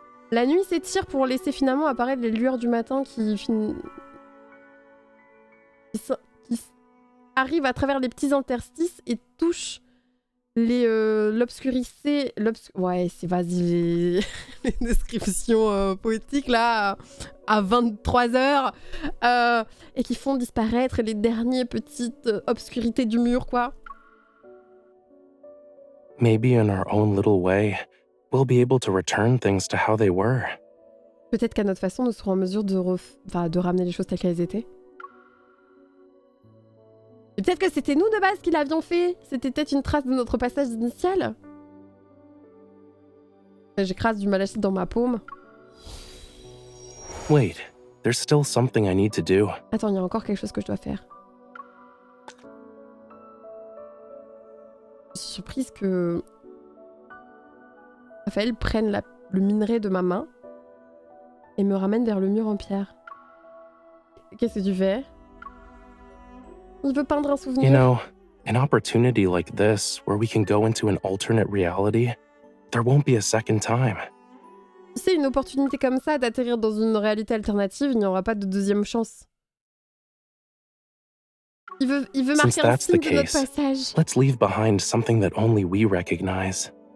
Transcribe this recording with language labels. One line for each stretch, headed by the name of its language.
French: La nuit s'étire pour laisser finalement apparaître les lueurs du matin qui arrive à travers les petits interstices et touche l'obscurité. Ouais, c'est vas-y, les descriptions poétiques là, à 23h, et qui font disparaître les dernières petites obscurités du mur, quoi.
English: Maybe in our own little way, we'll be able to return things to how they were.
French: Peut-être qu'à notre façon, nous serons en mesure de ramener les choses telles qu'elles étaient. Et peut-être que c'était nous de base qui l'avions fait. C'était peut-être une trace de notre passage initial. J'écrase du malachite dans ma paume.
English: Wait, there's still something I need to do.
French: Attends, il y a encore quelque chose que je dois faire. Je suis surprise que Raphaël prenne le minerai de ma main et me ramène vers le mur en pierre. Qu'est-ce que tu fais? Il veut peindre un souvenir.
English: You know, an opportunity like this, where we can go into an alternate reality, there won't be a second time.
French: Tu sais, une opportunité comme ça, d'atterrir dans une réalité alternative, il n'y aura pas de deuxième chance. Il veut marquer un signe de notre passage.
English: Let's leave behind something that only we recognize.